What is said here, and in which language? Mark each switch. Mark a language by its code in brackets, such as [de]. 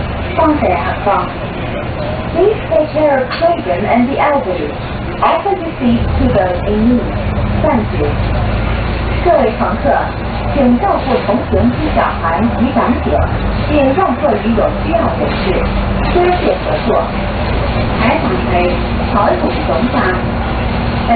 [zh] 请照顾同行之小孩及长者，并让座椅上需要人士，多谢合作。 [en] Please take care of children and the elderly. Offer your seat to those in need. Thank you. [zh] 各位乘客，请照顾同行之小孩及长者，并让座椅有需要人士，多谢合作。台长为彩虹总站。 [en] The